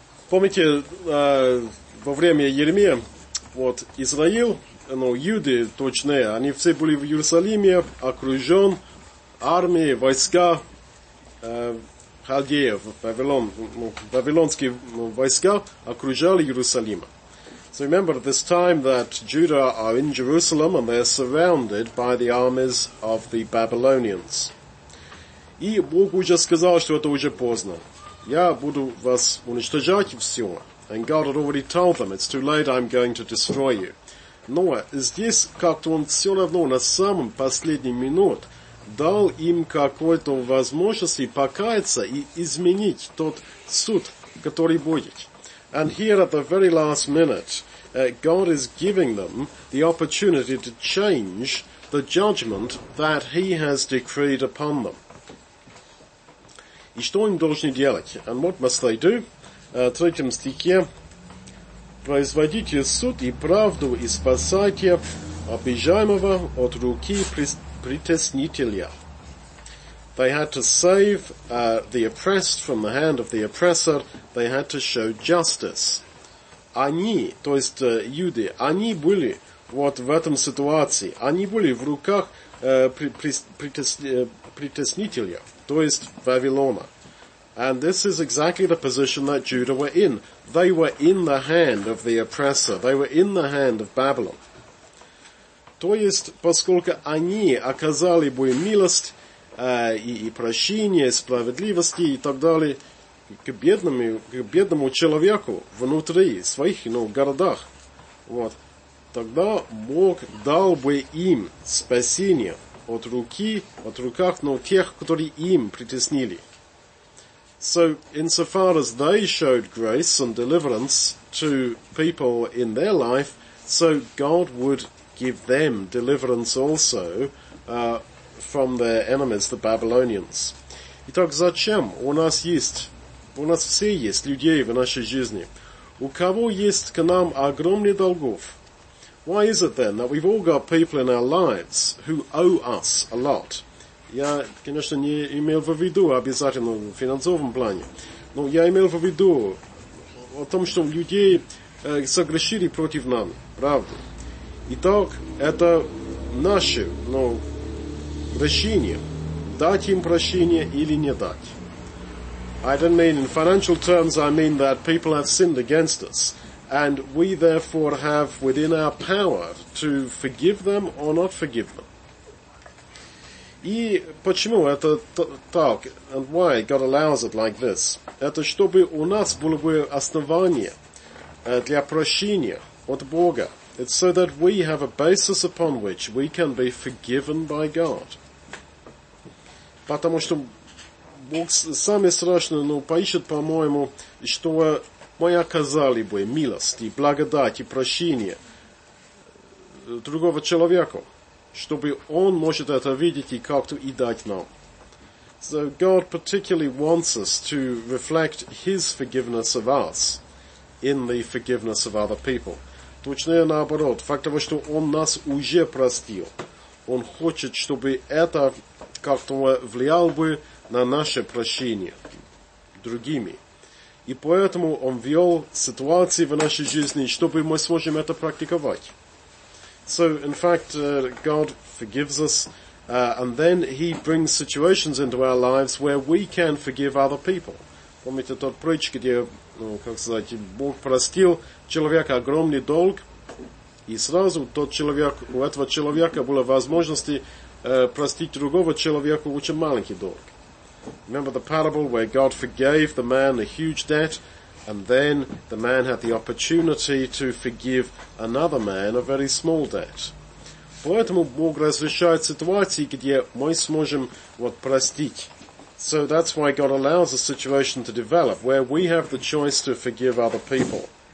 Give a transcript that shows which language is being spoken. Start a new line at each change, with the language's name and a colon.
Russian: Помните, во время Еремия, вот, Израил, ну, юды точные, они все были в Иерусалиме, окружен армией, войска халдеев, Вавилон, ну, вавилонские войска окружали Иерусалим.
English: So remember this time that Judah are in Jerusalem and they are surrounded by the armies of the Babylonians.
Russian: И Бог уже сказал, что это уже поздно. Я буду вас уничтожать все.
English: And God had already told them, it's too late, I'm going to destroy you.
Russian: Но здесь как-то он все равно на самом последний минут дал им какую-то возможность покаяться и изменить тот суд, который будет.
English: And here at the very last minute, God is giving them the opportunity to change the judgment that he has decreed upon them.
Russian: И что им должны делать?
English: And what must they do?
Russian: В третьем стихе, производите суд и правду, и спасайте обижаемого от руки притеснителя.
English: They had to save the oppressed from the hand of the oppressor. They had to show justice.
Russian: Они, то есть юды, они были вот в этом ситуации. Они были в руках притеснителя, то есть Вавилона.
English: And this is exactly the position that Judah were in. They were in the hand of the oppressor. They were in the hand of Babylon.
Russian: То есть, поскольку они оказали бы милость, и прощение, справедливости и так далее к бедному человеку внутри своих, ну, городах, вот, тогда Бог дал бы им спасение от руках, ну, тех, которые им притеснили.
English: So, insofar as they showed grace and deliverance to people in their life, so God would give them deliverance also from their enemies, the Babylonians.
Russian: Итак, зачем у нас все есть людей в нашей жизни, у кого есть к нам огромный долгов?
English: Why is it then that we've all got people in our lives who owe us a lot?
Russian: Я, конечно, не имел в виду обязательно в финансовом плане, но я имел в виду о том, что людей согрешили против нам, правда. Итак, это наши, ну, прощение, дать им прощение или не дать.
English: I don't mean in financial terms, I mean that people have sinned against us, and we therefore have within our power to forgive them or not forgive them.
Russian: И почему это так?
English: And why God allows it like this?
Russian: Это чтобы у нас было бы основание для прощения от Бога.
English: It's so that we have a basis upon which we can be forgiven by God.
Russian: Потому что Бог самый страшный, ну, поищет, по-моему, что мы оказали бы милость и благодать и прощение другого человека, чтобы он может это видеть и как-то и дать нам.
English: So God particularly wants us to reflect his forgiveness of us in the forgiveness of other people.
Russian: Точнее наоборот, факт того, что он нас уже простил, он хочет, чтобы это как-то влиял бы на наше прощение другими. И поэтому он ввел ситуации в нашей жизни, чтобы мы сможем это практиковать.
English: So, in fact, God forgives us, and then he brings situations into our lives where we can forgive other people.
Russian: Помните тот притч, где, ну, как сказать, Бог простил человека огромный долг, и сразу тот человек, у этого человека была возможность простить другого человека очень маленький долг.
English: Remember the parable where God forgave the man a huge debt, and then the man had the opportunity to forgive another man a very small debt.
Russian: Поэтому Бог разрешает ситуации, где мы сможем вот простить.
English: So that's why God allows a situation to develop where we have the choice to forgive other people.